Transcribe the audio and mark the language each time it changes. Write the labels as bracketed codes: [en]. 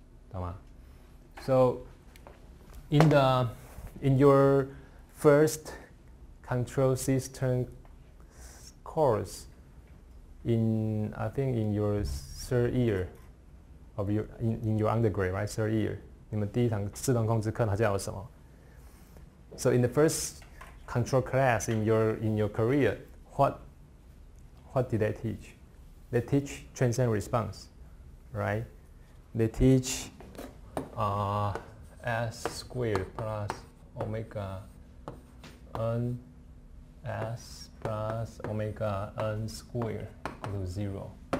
[zh] 懂吗? [en] So in your first control system course, I think in your third year of your in your undergrad, right? Third year. [zh] 你们第一堂自动控制课它叫什么? [en] So in the first control class in your career, what did they teach? They teach transient response, right? They teach S squared plus omega n S plus omega n squared equal to zero.